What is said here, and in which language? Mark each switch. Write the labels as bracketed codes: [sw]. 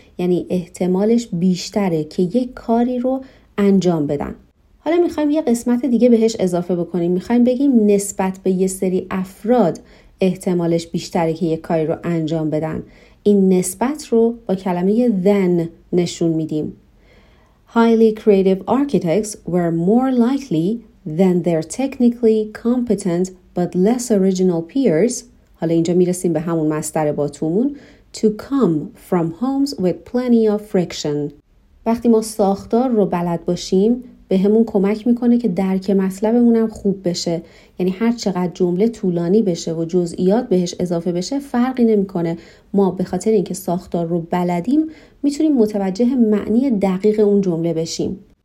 [fa] یعنی احتمالش بیشتره که یک کاری رو انجام بدن. حالا میخواییم یه قسمت دیگه بهش اضافه بکنیم. میخواییم بگیم نسبت به یه سری افراد احتمالش بیشتره که یه کاری رو انجام بدن. این نسبت رو با کلمه than نشون میدیم. [en] Highly creative architects were more likely than their technically competent but less original peers. [fa] حالا اینجا میرسیم به همون مصدر با تومون. [en] To come from homes with plenty of friction. [fa] وقتی ما ساختار رو بلد باشیم، به همون کمک میکنه که درک مطلبمون هم خوب بشه. یعنی هر چقدر جمله طولانی بشه و جزئیات بهش اضافه بشه فرقی نمیکنه. ما به خاطر اینکه ساختار رو بلدیم میتونیم متوجه معنی دقیق اون جمله بشیم.